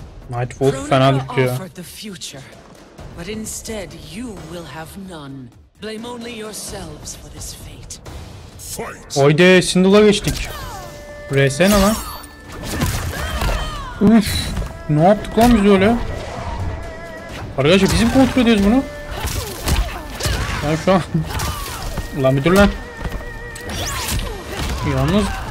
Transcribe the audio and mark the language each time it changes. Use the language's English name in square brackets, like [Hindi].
[Turkish] Nightwolf fena düştü ya. [English] But instead you will have none. Blame only yourselves for this fate. [Turkish] Haydi Sindel'a geçtik. RS ne lan? Üf, ne yaptık lan biz öyle? Arkadaşlar biz mi kontrol ediyoruz bunu? Ben şu an... Ulan bir dur lan. Yalnız...